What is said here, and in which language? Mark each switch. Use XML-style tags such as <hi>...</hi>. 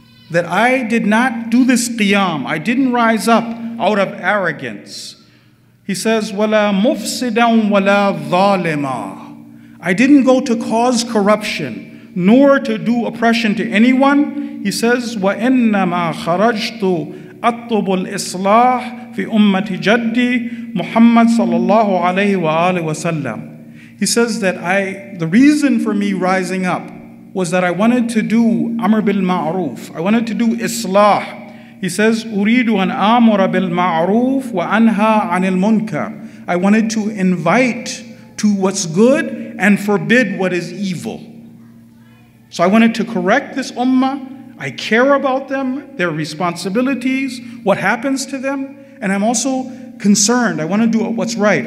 <en>That I did not do this Qiyam. I didn't rise up out of arrogance. He says,</en> <ar>wala mufsidan wala zalima.</ar> <en>I didn't go to cause corruption, nor to do oppression to anyone. He says,</en> <ar>وَإِنَّمَا خَرَجْتُ أطلب الإصلاح في أمة جدي محمد صلى الله عليه وآله وسلم.</ar> <en>He says that the reason for me rising up was that I wanted to do أمر بالمعروف. I wanted to do إصلاح. He says</en> <ar>أريد أن أمر بالمعروف وأنهى عن المنكر.</ar> <en>I wanted to invite to what's good and forbid what is evil. So I wanted to correct this ummah. I care about them, their responsibilities, what happens to them, and I'm also concerned. I want to do what's right.</en>